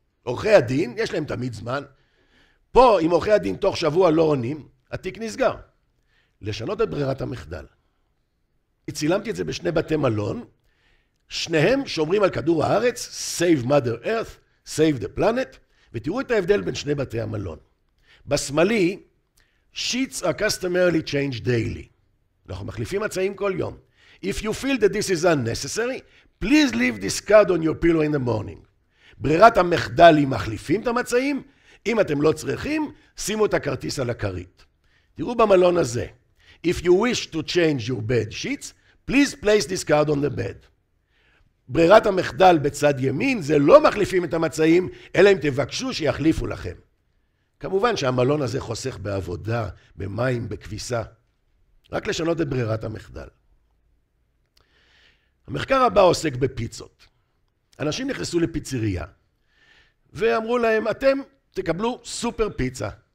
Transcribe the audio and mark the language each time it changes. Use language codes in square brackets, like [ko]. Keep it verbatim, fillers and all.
[he] עורכי הדין, יש להם תמיד זמן. פה, אם עורכי הדין תוך שבוע לא עונים, התיק נסגר. לשנות את ברירת המחדל. הצילמתי את זה בשני בתי מלון, שניהם שומרים על כדור הארץ, [en] Save Mother Earth, Save the Planet, [he] ותראו את ההבדל בין שני בתי המלון. בשמאלי, [en] Sheets are customarily changed daily. [he] אנחנו מחליפים מצעים כל יום. [en] If you feel that this is unnecessary, please leave this card on your pillow in the morning. [he] ברירת המחדל היא מחליפים את המצעים, אם אתם לא צריכים, שימו את הכרטיס על הכרית. תראו במלון הזה. [en] If you wish to change your bed sheets, please place this card on the bed. [he] ברירת המחדל בצד ימין זה לא מחליפים את המצעים, אלא אם תבקשו שיחליפו לכם. כמובן שהמלון הזה חוסך בעבודה, במים, בכביסה. רק לשנות את ברירת המחדל. המחקר הבא עוסק בפיצות. אנשים נכנסו לפיצריה ואמרו להם, אתם תקבלו סופר פיצה.